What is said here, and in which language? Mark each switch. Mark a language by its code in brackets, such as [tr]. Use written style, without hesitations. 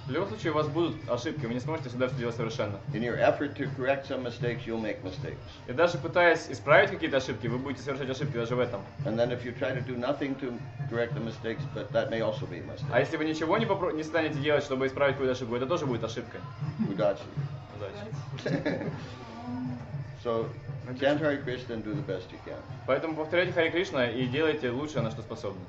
[ru] В любом случае у вас будут ошибки, вы не сможете всегда все делать совершенно. [en] In your effort to correct some mistakes, you'll make mistakes. [ru] И даже пытаясь исправить какие-то ошибки, вы будете совершать ошибки даже в этом. [en] And then if you try to do nothing to correct the mistakes, but that may also be a mistake. [ru] А если вы ничего не станете делать, чтобы исправить какую-то ошибку, это тоже будет ошибкой. Удачи. Удачи. [en] So chant Hare Krishna and do the best you can. [ru] Поэтому повторяйте Харе Кришна и делайте лучшее, на что способны.